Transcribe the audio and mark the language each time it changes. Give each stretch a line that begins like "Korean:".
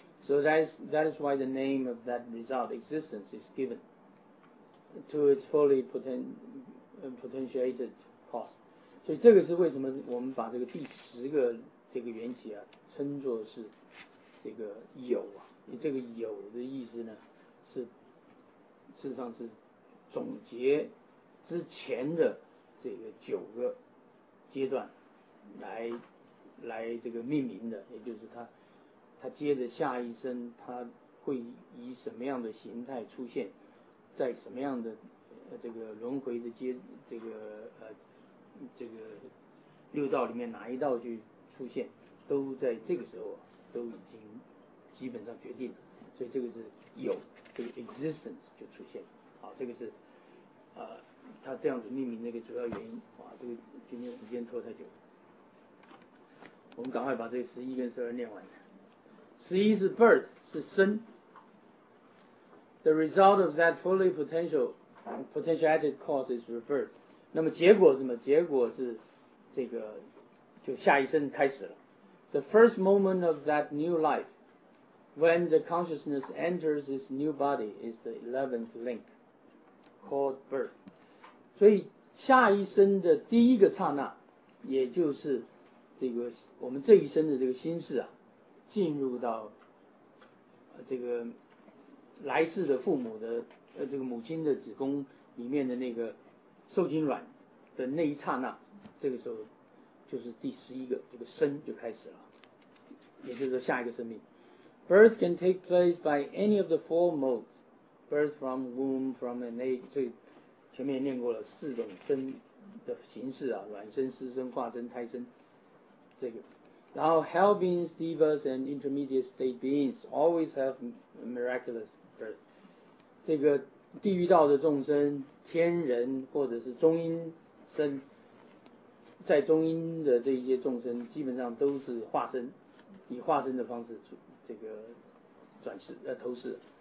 English: So that is why the name of that result existence is given to its fully potentiated cause.
Chinese: 所以这个是为什么我们把这个第十个这个缘起啊称作是这个有啊，这个有的意思呢是事实上是总结之前的这个九个阶段来这个命名的，也就是他接着下一生他会以什么样的形态出现在什么样的这个轮回的接这个这个六道里面哪一道去出现，都在这个时候都已经基本上决定了，所以这个是有这个 existence 就出现。好，这个是他这样子命名的一个主要原因。哇，这个今天时间拖太久，我们赶快把这个11跟12念完。 11是 birth， 是生。
English: The result of that fully potentiated cause is rebirth.
Chinese: 那么结果是什么？结果是这个就下一生开始了。
English: The first moment of that new life, when the consciousness enters this new body, is the 11th link called birth.
Chinese: 所以下一生的第一个刹那，也就是这个我们这一生的这个心事啊。进入到这个来世的父母的这个母亲的子宫里面的那个受精卵的那一刹那，这个时候就是第十一个这个生就开始了，也就是说下一个生命。
English: Birth can take place by any of the four modes. Birth from womb, from an egg.
Chinese: 这前面念过了四种生的形式啊，卵生、湿生、化生、胎生。这个然后
English: hell beings, divas, and intermediate state beings always have miraculous birth.
Chinese: 这个地狱道的众生、天人或者是中阴身，在中阴的这一些众生基本上都是化身，以化身的方式这个转世投世。